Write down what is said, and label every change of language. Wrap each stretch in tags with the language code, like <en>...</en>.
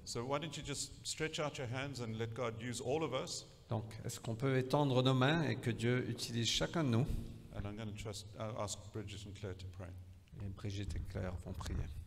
<en>So why don't you just stretch out your hands and let God use all of us?</en> <fr>Donc, est-ce qu'on peut étendre nos mains et que Dieu utilise chacun de nous?</fr> <en>And I'm going to trust, ask Bridget and Claire to pray.</en> <fr>Et Bridget et Claire vont prier.</fr>